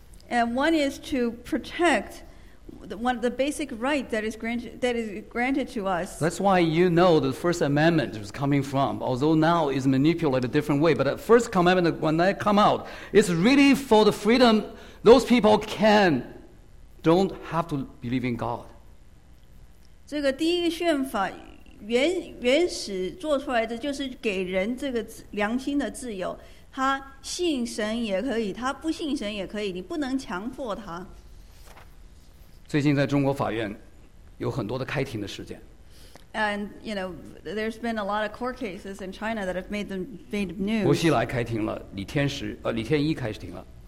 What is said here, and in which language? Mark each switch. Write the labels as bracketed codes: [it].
[en] And one is to protect the basic right that is granted to us. That's why you know the First Amendment is coming from, although now is manipulated a different way. But the First Amendment, when that come out, it's really for the freedom those people can, don't have to believe in God. [zh] 这个第一个宪法原始做出来的就是给人这个良心的自由，他信神也可以，他不信神也可以，你不能强迫他。最近在中国法院有很多的开庭的事件。And [en] you know, there's been a lot of court cases in China that have made news. [zh] 薄熙来开庭了，李天一开庭了。